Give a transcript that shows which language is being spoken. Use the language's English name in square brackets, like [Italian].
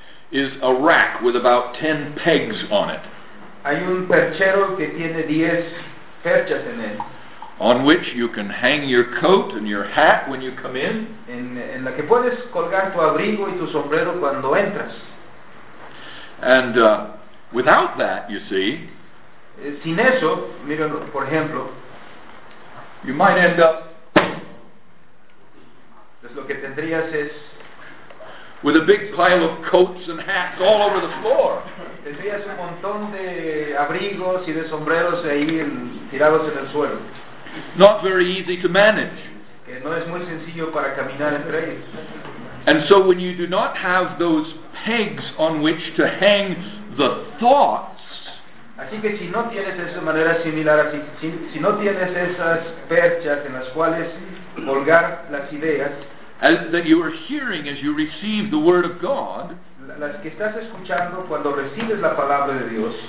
[English] is a rack with about 10 pegs on it. [Spanish] Hay un perchero que tiene 10 perchas en él. [English] On which you can hang your coat and your hat when you come in. [Spanish] En la que puedes colgar tu abrigo y tu sombrero cuando entras. [English] And without that, you see, [Spanish] sin eso, mira, por ejemplo, [English] you might end up, [Spanish] pues lo que tendrías es [English] with a big pile of coats and hats all over the floor. [Spanish] Tendrías un montón de abrigos y de sombreros ahí tirados en el suelo. [English] Not very easy to manage. [Spanish] Que no es muy sencillo para caminar entre ellos. [English] And so when you do not have those pegs on which to hang the thoughts. [Spanish] Así que si no tienes esa manera similar, si no tienes esas perchas en las cuales colgar las ideas. [English] As that you are hearing as you receive the word of God, [Spanish] las que estás escuchando cuando recibes la palabra de Dios,